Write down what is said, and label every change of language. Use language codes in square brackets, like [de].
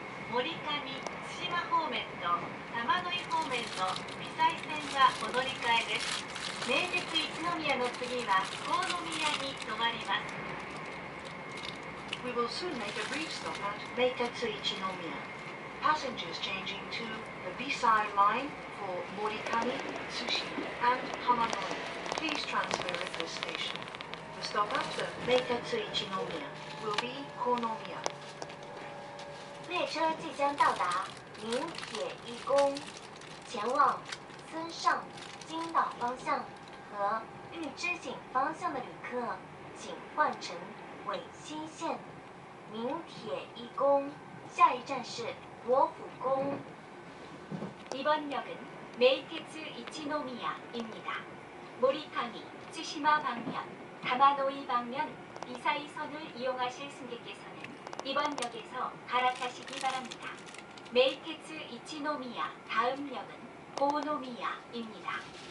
[ja] 森上、津島方面と玉ノ井方面の美祭線はお乗り換えです。名鉄一宮の次は鴻宮に止まります。 [en] We will soon make a brief stop at 名鉄一宮。 Passengers changing to the B-side line for Morikami, Tsushi, and Hamanoi. Please transfer at this station. The stop after 名鉄一宮 will be 鴻宮。 [zh] 列车即将到达名铁一宫，前往森上、金岛方向和玉之井方向的旅客，请换乘尾西线。名铁一宫，下一站是国府宫。 [ko] 이번역은메이테츠이치노미야입니다모리카미츠시마방면다마노이방면이사이선을이용하실승객께서는이번역에서갈아타시기바랍니다 메이테츠이치노미야다음역은고노미야입니다